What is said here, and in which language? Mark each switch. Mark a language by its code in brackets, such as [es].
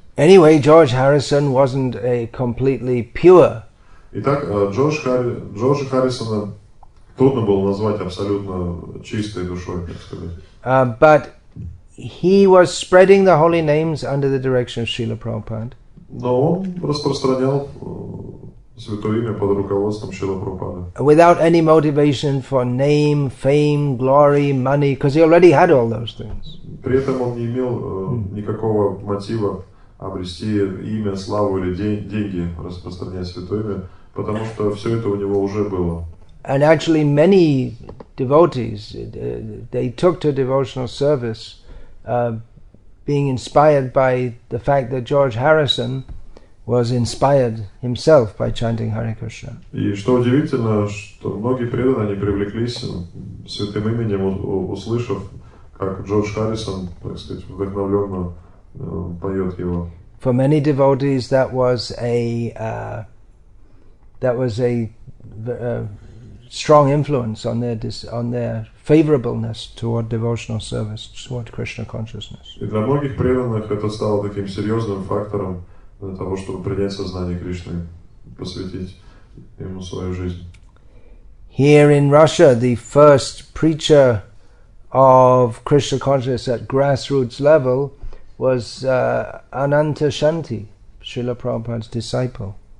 [en] Anyway, George Harrison wasn't a completely pure. [ru] Итак, Джорджа Харрисона трудно было назвать абсолютно чистой душой, так сказать. [en] But he was spreading the holy names under the direction of Srila Prabhupada. [ru] Но он распространял святое имя под руководством Шрилы Прабхупады. [en] Without any motivation for name, fame, glory, money, because he already had all those things. [ru] При этом он не имел никакого мотива обрести имя, славу или деньги, распространять святое имя, потому что все это у него уже было. [en] And actually many devotees, they took to devotional service, being inspired by the fact that George Harrison was inspired himself by chanting Hare Krishna. [ru] И что удивительно, что многие преданные, они привлеклись святым именем, услышав, как Джордж Харрисон, так сказать, вдохновленно поет его. [en] For many devotees, that was a strong influence on their favorableness toward devotional service, toward Krishna consciousness. [ru] И для многих преданных это стало таким серьезным фактором для того, чтобы принять сознание Кришны, посвятить ему свою жизнь. [en] Here in Russia, the first preacher of Krishna consciousness at grassroots level was Ananta Shanti, Srila Prabhupada's disciple.